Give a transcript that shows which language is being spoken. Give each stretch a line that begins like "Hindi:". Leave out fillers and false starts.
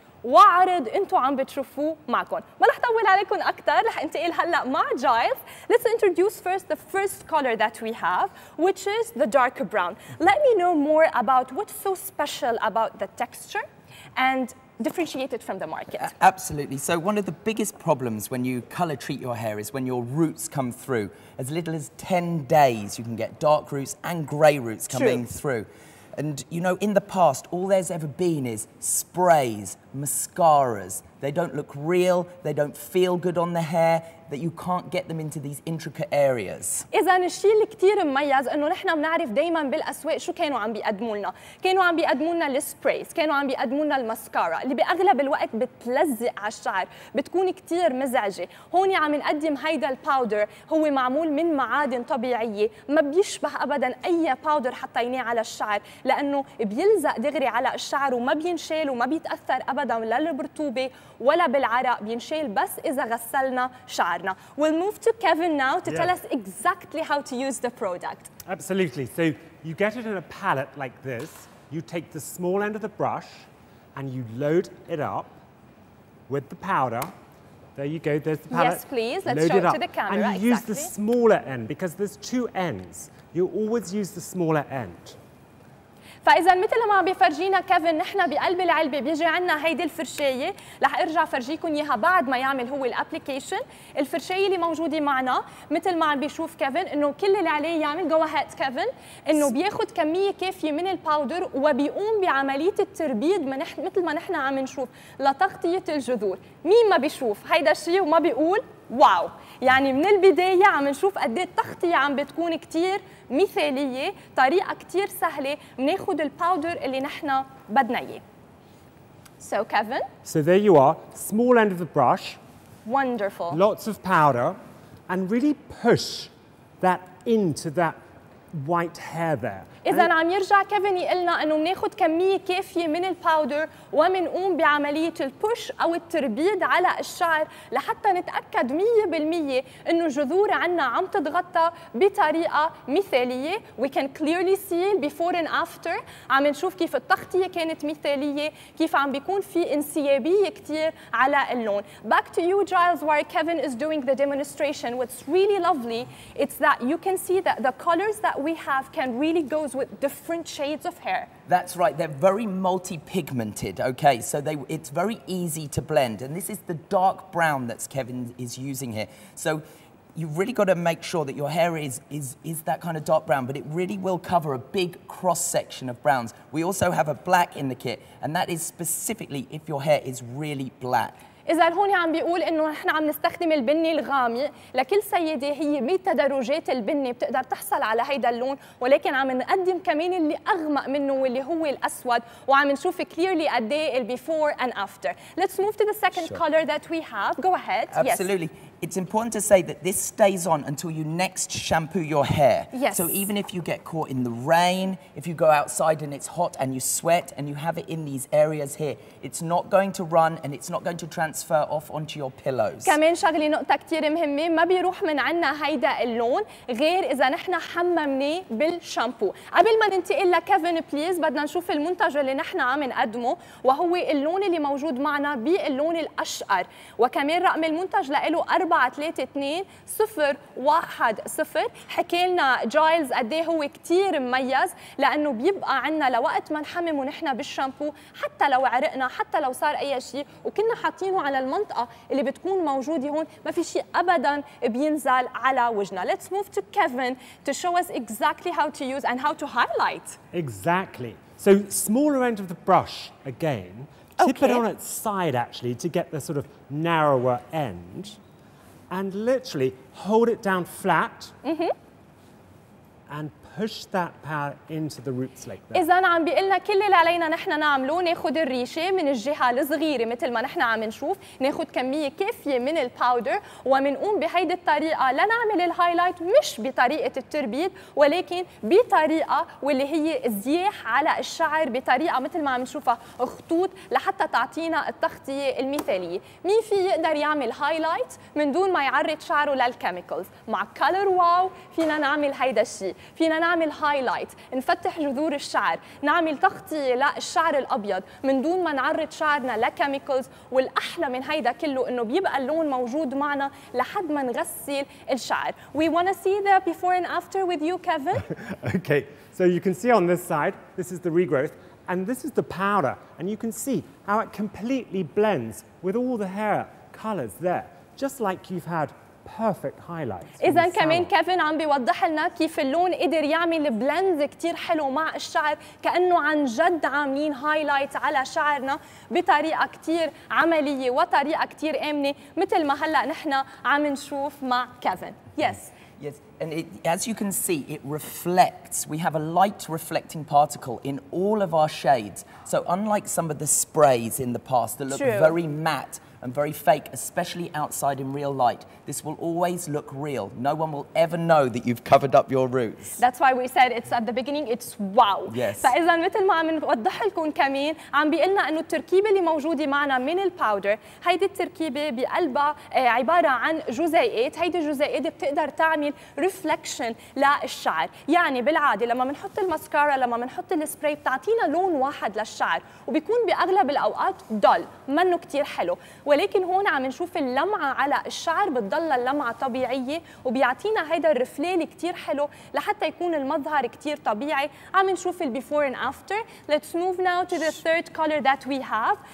Arabic: وعرض انتو عم بتشوفوه معكم ما رح طول عليكم اكثر رح انتقل هلا مع جايف
English: let's introduce first the first color that we have which is the dark brown let me know more about what's so special about the texture and differentiated from the market absolutely so one of the biggest problems when you color treat your hair is when your roots come through as little as 10 days you can get dark roots and gray roots coming True. through And, you know, in the past, all there's ever been is sprays, mascaras. They don't look real, they don't feel good on the hair, that you can't get them into these intricate areas.
Arabic: إذن الشيء اللي كتير مميز إنه نحن بنعرف دايماً بالأسواق شو كانوا عم بيقدمولنا. كانوا عم بيقدمولنا السبريز، كانوا عم بيقدمولنا المسكارا اللي بأغلب الوقت بتلزق على الشعر، بتكون كتير مزعجة. هون عم نقدم هيدا الباودر هو معمول من معادن طبيعية، ما بيشبه أبداً أي باودر حطيناه على الشعر، لأنه بيلزق دغري على الشعر وما بينشال وما بيتأثر أبداً لا بالرطوبة ولا بالعرق، بينشال بس إذا غسلنا شعر.
English: We'll move to Kevin now to tell us exactly how to use the product. Absolutely. So you get it in a palette like this. You take the small end of the brush and you load it up with the powder. There you go. There's the palette. Yes, please. Let's load show it up. To the camera. And you use the smaller end because there's two ends. You always use the smaller end.
Arabic: فإذا مثل ما بيفرجينا كيفن نحن بقلب العلبة بيجي عنا هيدي الفرشاية رح ارجع فرجيكم اياها بعد ما يعمل هو الابلكيشن الفرشاية اللي موجودة معنا مثل ما عم بيشوف كيفن انه كل اللي عليه يعمل جو اهيد كيفن انه بياخذ كمية كافية من الباودر وبيقوم بعملية التربيض مثل ما نحن عم نشوف لتغطية الجذور مين ما بيشوف هيدا الشيء وما بيقول واو يعني من البداية عم نشوف قد ايه التغطية عم بتكون كتير مثالية طريقة كتير سهلة بناخد الباودر اللي نحنا بدنا إياه.
English: So Kevin. So there you are, small end of the brush. Wonderful. Lots of powder, and really push that into that white hair there.
Arabic: إذا عم يرجع كيفن يقلنا إنه مناخد كمية كافية من الباودر ومنقوم بعملية البوش أو التربيد على الشعر لحتى نتأكد 100% إنه جذور عنا عم تتغطى بطريقة مثالية.
English: We can clearly see before and after.
Arabic: عم نشوف كيف التغطية كانت مثالية, كيف عم بيكون في انسيابية كتير على اللون.
English: Back to you, Giles, while Kevin is doing the demonstration. What's really lovely, it's that you can see that the colors that we have can really goes with different shades of hair. That's right, they're very multi-pigmented, okay? So it's very easy to blend. And this is the dark brown that Kevin is using here. So you've really got to make sure that your hair is that kind of dark brown, but it really will cover a big cross-section of browns. We also have a black in the kit, and that is specifically if your hair is really black.
Arabic: إذا هون عم بيقول إنه نحن عم نستخدم البني الغامق لكل سيدة هي من تدرجات البني بتقدر تحصل على هيدا اللون, ولكن عم نقدم كمان اللي أغمق منه واللي هو الأسود, وعم نشوف
English: clearly a day before and after. Let's move to the second sure. color that we have. Go ahead. Absolutely. Yes. It's important to say that this stays on until you next shampoo your hair. Yes. So even if you get caught in the rain, if you go outside and it's hot and you sweat and you have it in these areas here, it's not going to run and it's not going to transfer off onto your pillows.
Arabic: كمان شغلي نقطة كتير مهمة, ما بيروح من عنا هيدا اللون غير إذا نحنا حممناه بالشامبو. قبل ما ننتقل لكيفن بليز بدنا نشوف المنتج اللي نحنا عم نقدمه, وهو اللون اللي موجود معنا باللون الأشقر, وكمان رقم المنتج لإله 432-010. حكي لنا جايلز قديه هو كتير مميز لأنه بيبقى عنا لوقت ما نحمم ونحن بالشامبو, حتى لو عرقنا, حتى لو صار أي شيء, وكنا حاطينه على المنطقة اللي بتكون موجودة هون, ما في شيء أبدا بينزل على وجهنا.
English: Let's move to Kevin to show us exactly how to use and how to highlight. Exactly. So smaller end of the brush again. Tip okay. it on its side actually to get the sort of narrower end. And literally hold it down flat mm-hmm. and push that power into the roots like that.
Arabic: إذن عم بيقلنا كل اللي علينا نحن نعمله ناخد الريشة من الجهة الصغيرة مثل ما نحن عم نشوف, ناخد كمية كافية من الباودر ومنقوم بهيد الطريقة لنعمل الهايلايت, مش بطريقة التربيد ولكن بطريقة واللي هي زياح على الشعر بطريقة مثل ما عم نشوفها خطوط لحتى تعطينا التغطية المثالية. مين في يقدر يعمل هايلايت من دون ما يعرض شعره للكيميكلز؟ مع كولر واو فينا نعمل هيدا الشيء. فينا نعمل هايلايت, نفتح جذور الشعر, نعمل تغطية للشعر الأبيض من دون ما نعرض شعرنا لكيميكلز, والأحلى من هيدا كله إنه بيبقى اللون موجود معنا لحد ما نغسل الشعر.
English: We want to see the before and after with you, Kevin. Okay, so you can see on this side, this is the regrowth, and this is the powder, and you can see how it completely blends with all the hair colors there, just like you've had perfect highlights.
Arabic: إذن كمان كيفن عم بيوضح لنا كيف اللون قدر يعمل بلندز كتير حلو مع الشعر, كأنه عن جد عاملين هايلايت على شعرنا بطريقة كتير عملية وطريقة كتير آمنة مثل ما هلأ نحن عم نشوف مع كيفن.
English: Yes. Yes, and as you can see, it reflects. We have a light reflecting particle in all of our shades. So unlike some of the sprays in the past that look True. Very matte, and very fake, especially outside in real light. This will always look real. No one will ever know that you've covered up your roots. That's why we said it's at the beginning, it's wow. Yes.
Arabic: فإذا مثل ما عم نوضح لكم كمان, عم بيقلنا انه التركيبة اللي موجودة معنا من الباودر, هيدي التركيبة بقلبها عبارة عن جزيئات, هيدي الجزيئات بتقدر تعمل reflection للشعر. يعني بالعادة لما بنحط الماسكارا, لما بنحط السبراي, بتعطينا لون واحد للشعر, وبيكون بأغلب الأوقات dull, منه كتير حلو. ولكن هون عم نشوف اللمعة على الشعر بتضل اللمعة طبيعية وبيعطينا هيدا الرفلال كتير حلو لحتى يكون المظهر كتير طبيعي. عم نشوف البيفور
English: and after. Let's move now to the third color that we have.